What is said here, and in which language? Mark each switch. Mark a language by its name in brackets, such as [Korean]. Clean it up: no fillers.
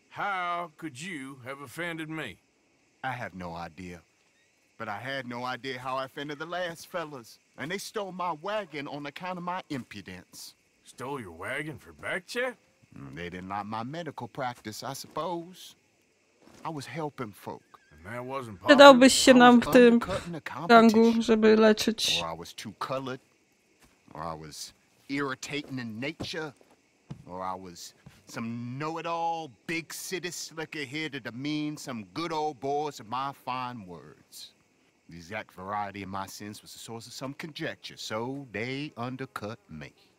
[English] How could you have offended me? I have no idea. But I had no idea how I offended the last fellas. And they stole my wagon on account of my impudence. Stole your wagon for back check? They didn't like my medical practice, I suppose. I was helping folk. And that wasn't possible. [Polish] Przydałbyś się nam w tym gangu, żeby leczyć. [English] Or I was too colored. Or I was irritating in nature. Or I was some know-it-all big city slicker here to demean some good old boys of my fine words. The exact variety of my sins was the source of some conjecture, so they undercut me.